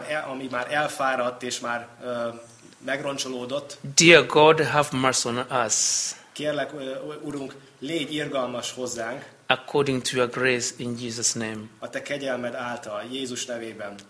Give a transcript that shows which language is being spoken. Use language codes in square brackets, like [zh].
[hu] Ami már elfáradt és már megroncsolódott. [en] Dear God, have mercy on us. [hu] Kérlek, Urunk, légy irgalmas hozzánk. [en] According to your grace in Jesus' name. [hu] A te kegyelmed által, Jézus nevében.